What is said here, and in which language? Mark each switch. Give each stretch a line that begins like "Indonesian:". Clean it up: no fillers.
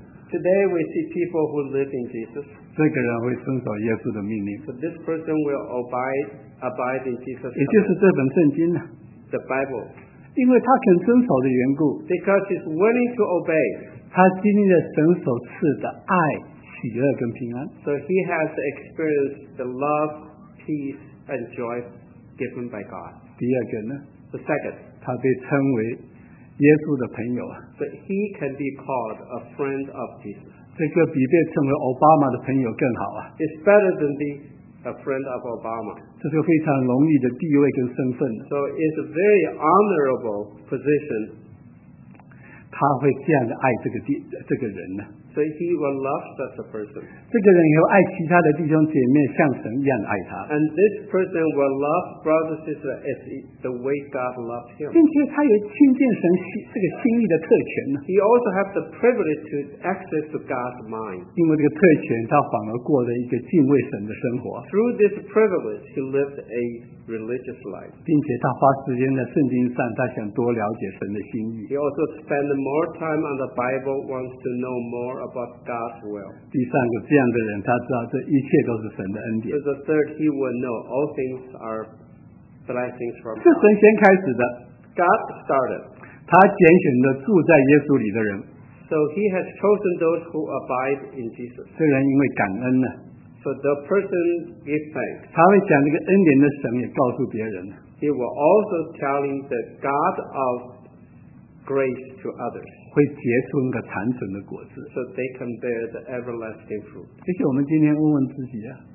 English: today we see people who live in Jesus.
Chinese: 这个人会遵守耶稣的命令,
English: so this person will abide in Jesus.
Chinese: 也就是这本圣经,
English: the Bible.
Chinese: 因为他肯遵守的缘故,
English: because he's willing to obey.
Chinese: 他经历了神所赐的爱, 喜乐跟平安,
English: so he has experienced the love, peace, and joy given by God.
Chinese: 第二个呢,
English: the second,
Chinese: 他被称为耶稣的朋友,
English: so he can be called a friend of Jesus.
Chinese: 这个比被称为奥巴马的朋友更好啊,
English: it's better than being a friend of Obama.
Chinese: 这是非常荣誉的地位跟身份,
English: so it's a very honorable position.
Chinese: 他会这样的爱这个人呢,
English: so he will love such a person.
Chinese: 这个人以后爱其他的弟兄姐妹,
English: and this person will love brothers and sisters as the way God loved him.
Chinese: 并且他也亲近神,
English: he also has the privilege to access to God's mind.
Chinese: 因为这个特权,
English: through this privilege, he lived a religious life.
Chinese: 并且他花时间在圣经上,
English: he also spent more time on the Bible, wants to know more about God's will.
Chinese: 第三个, 这样的人, 他知道这一切都是神的恩典,
English: so the third, he will know all things are blessings from God.
Chinese: 是神先开始的,
English: God started.
Chinese: 他拣选了住在耶稣里的人,
English: so he has chosen those who abide in Jesus.
Chinese: 这人因为感恩呢,
English: so the person gives thanks.
Chinese: 他会讲这个恩典的神也告诉别人,
English: he will also tell him the God of grace to others.
Chinese: 会结出那个长存的果子,
English: so they can bear the everlasting fruit.
Chinese: 而且我们今天问问自己啊,